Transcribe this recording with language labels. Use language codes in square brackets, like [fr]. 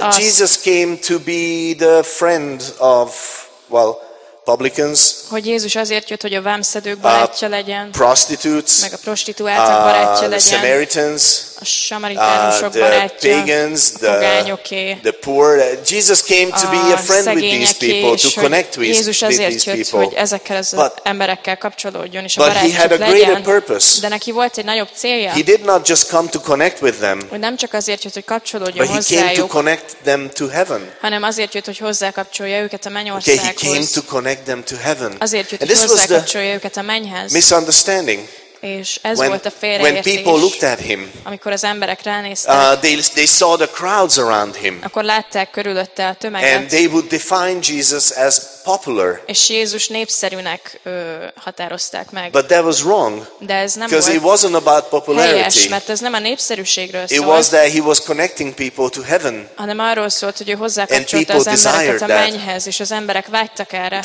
[hu] azt, [en] Jesus came to be the friend of, well, publicans, [hu] hogy Jézus azért jött, hogy a vámszedők barátja legyen, [en] prostitutes, [hu] meg a prostituáltak barátja legyen, [en] Samaritans, [hu] a samaritánusok barátja, [en] pagans, [hu] a pogányoké, [en] the poor. Jesus came to be a friend with these people, to connect with these [hu] Jézus azért jött, hogy ezekkel az emberekkel kapcsolódjon és a barátjuk legyen. [en] But he had a greater purpose. [hu] De neki volt egy nagyobb célja. [en] He did not just come to connect with them. [hu] Ő nem csak azért jött, hogy kapcsolódjon hozzájuk. [en] But he came to connect them to heaven. [hu] Hanem azért jött, hogy hozzákapcsolja őket a mennyországhoz. [en] Okay, he came to connect them to heaven. [hu] Azért jött, hogy hozzákapcsolja őket a mennyhez. [en] Misunderstanding. [hu] És ez volt a félreértés. [en] When people looked at him, [hu] amikor az emberek ránéztek, [en] they saw the crowds around him. [hu] Akkor látták körülötte a tömeget. [en] And they would define Jesus as popular. [hu] És Jézus népszerűnek határozták meg. [en] But that was wrong. [hu] De ez nem volt. [en] Because it wasn't about popularity. [hu] Helyes, mert ez nem a népszerűségről szólt. [en] It was that he was connecting people to heaven. [hu] Hanem arról szólt, hogy ő hozzákapcsolta az embereket a mennyhez, és az emberek vágytak erre.